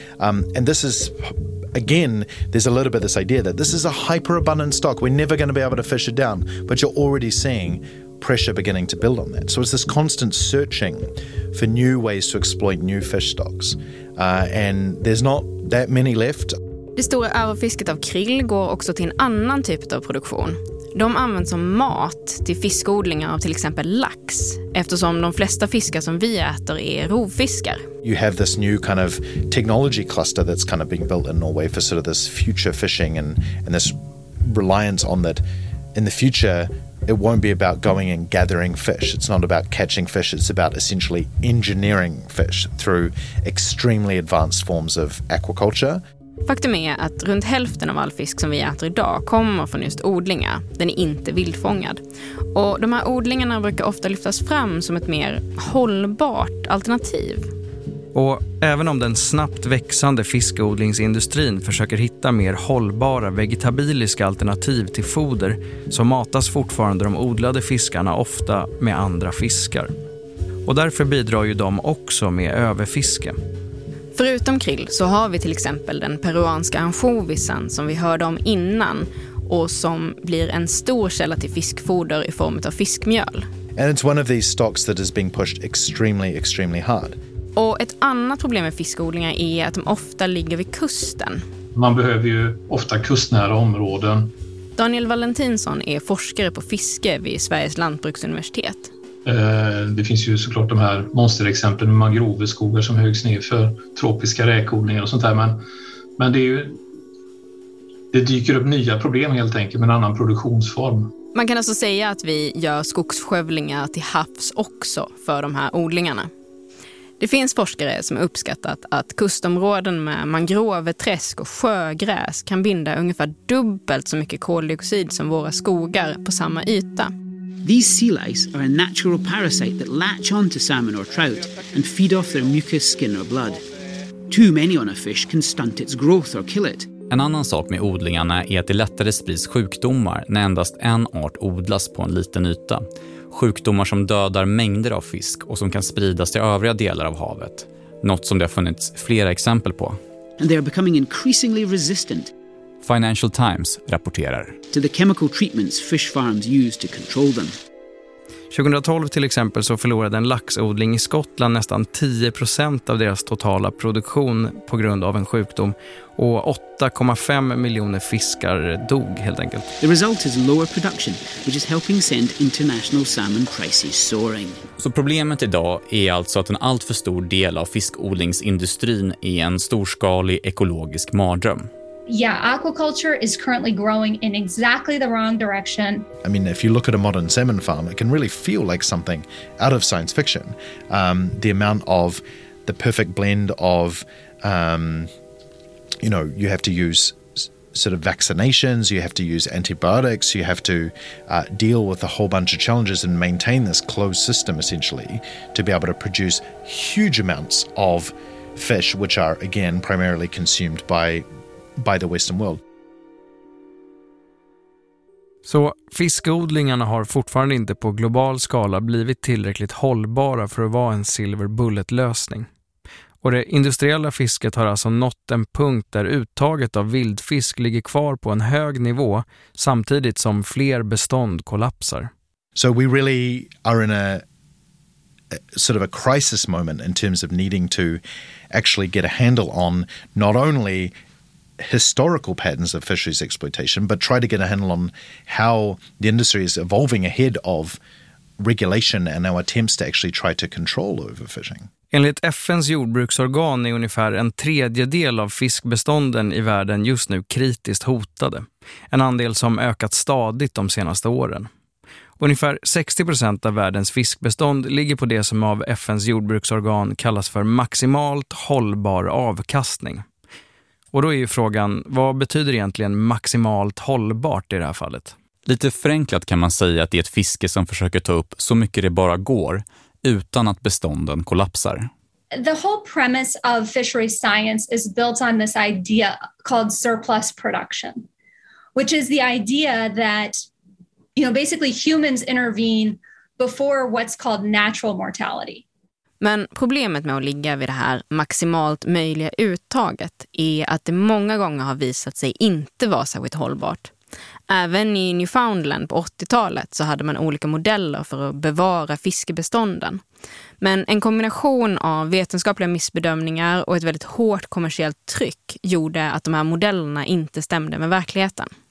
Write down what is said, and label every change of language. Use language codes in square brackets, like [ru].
[en] And this is, again, there's a little bit of this idea that this is a hyperabundant stock. We're never going to be able to fish it down, but you're already seeing pressure beginning to build on that. So it's this constant searching for new ways to exploit new fish stocks. And there's not that many left. [sv] Det stora överfisket av krill går också till en annan typ av produktion. De används som mat till fiskodlingar av till exempel lax, eftersom de flesta fiskar som vi äter är rovfiskar. [en] You have this new kind of technology cluster that's kind of being built in Norway for sort of this future fishing and this reliance on that in the future it won't be about going and gathering fish. It's not about catching fish, it's about essentially engineering fish through extremely advanced forms of aquaculture. [sv] Faktum är att runt hälften av all fisk som vi äter idag kommer från just odlingar. Den är inte vildfångad. Och de här odlingarna brukar ofta lyftas fram som ett mer hållbart alternativ. Och även om den snabbt växande fiskodlingsindustrin försöker hitta mer hållbara vegetabiliska alternativ till foder, så matas fortfarande de odlade fiskarna ofta med andra fiskar. Och därför bidrar ju de också med överfiske. Förutom krill så har vi till exempel den peruanska anchovisen som vi hörde om innan och som blir en stor källa till fiskfoder i form av fiskmjöl. [en] And it's one of these stocks that is being pushed extremely, extremely hard. [sv] Och ett annat problem med fiskodlingar är att de ofta ligger vid kusten. Man behöver ju ofta kustnära områden. Daniel Valentinsson är forskare på fiske vid Sveriges lantbruksuniversitet. Det finns ju såklart de här monsterexemplen med mangroveskogar som högs ner för tropiska räkodlingar och sånt där. Men det är ju, det dyker upp nya problem helt enkelt med en annan produktionsform. Man kan alltså säga att vi gör skogsskövlingar till havs också för de här odlingarna. Det finns forskare som har uppskattat att kustområden med mangroveträsk och sjögräs kan binda ungefär dubbelt så mycket koldioxid som våra skogar på samma yta. [en] These sea lice are a natural parasite that latch onto salmon or trout and feed off their mucus, skin or blood. Too many on a fish can stunt its growth or kill it. [sv] En annan sak med odlingarna är att det lättare sprids sjukdomar när endast en art odlas på en liten yta. Sjukdomar som dödar mängder av fisk och som kan spridas till övriga delar av havet. Något som det har funnits flera exempel på. [en] And they are becoming increasingly resistant. [sv] Financial Times rapporterar. [en] To the chemical treatments fish farms use to control them. [sv] 2012 till exempel så förlorade en laxodling i Skottland nästan 10% av deras totala produktion på grund av en sjukdom och 8,5 miljoner fiskar dog helt enkelt. [en] The result is lower production, which is helping send international salmon prices soaring. [sv] Så problemet idag är alltså att en alltför stor del av fiskodlingsindustrin är en storskalig ekologisk mardröm. [en] Yeah, aquaculture is currently growing in exactly the wrong direction. I mean, if you look at a modern salmon farm, it can really feel like something out of science fiction. The amount of the perfect blend of, you know, you have to use sort of vaccinations, you have to use antibiotics, you have to deal with a whole bunch of challenges and maintain this closed system, essentially, to be able to produce huge amounts of fish, which are, again, primarily consumed by the western world. [sv] Så fiskodlingarna har fortfarande inte på global skala blivit tillräckligt hållbara för att vara en [en] silver bullet [sv] lösning. Och det industriella fisket har alltså nått en punkt där uttaget av vildfisk ligger kvar på en hög nivå samtidigt som fler bestånd kollapsar. [en] So we really are in a sort of a crisis moment in terms of needing to actually get a handle on not only historical patterns of fisheries exploitation, but try to get a handle on how the industry is evolving ahead of regulation and our attempts to actually try to control overfishing. [sv] Enligt FN:s jordbruksorgan är ungefär en tredjedel av fiskbestånden i världen just nu kritiskt hotade, en andel som ökat stadigt de senaste åren. Ungefär 60% av världens fiskbestånd ligger på det som av FN:s jordbruksorgan kallas för maximalt hållbar avkastning. Och då är ju frågan, vad betyder egentligen maximalt hållbart i det här fallet? Lite förenklat kan man säga att det är ett fiske som försöker ta upp så mycket det bara går utan att bestånden kollapsar. [en] The whole premise of fishery science is built on this idea called surplus production, which is the idea that, you know, basically humans intervene before what's called natural mortality. [sv] Men problemet med att ligga vid det här maximalt möjliga uttaget är att det många gånger har visat sig inte vara särskilt hållbart. Även i Newfoundland på 80-talet så hade man olika modeller för att bevara fiskebestånden. Men en kombination av vetenskapliga missbedömningar och ett väldigt hårt kommersiellt tryck gjorde att de här modellerna inte stämde med verkligheten.